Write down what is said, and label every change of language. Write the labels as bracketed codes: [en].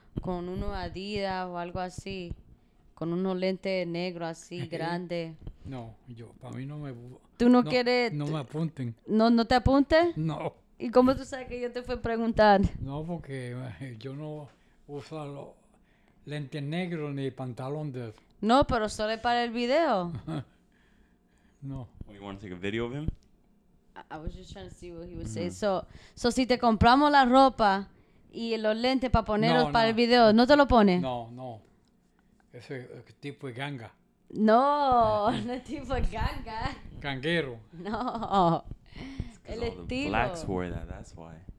[es] Con uno Adidas o algo así. Con unos lentes negros así, grande. No, yo, para mí no me... ¿Tú no, no quieres...? No me apunten. ¿No, no te apunten? No. ¿Y cómo tú sabes que yo te fui a preguntar? No, porque yo no uso los lentes negros ni pantalón de... No, pero solo para el video. No. [en] Oh, you want to take a video of him? I was just trying to see what he would say. [es] So si te compramos la ropa y los lentes para ponerlos para el video, ¿no te lo pones? No. Ese tipo de ganga. No es tipo de ganga. Ganguero. No. El estilo. [en] The blacks wore that, that's why.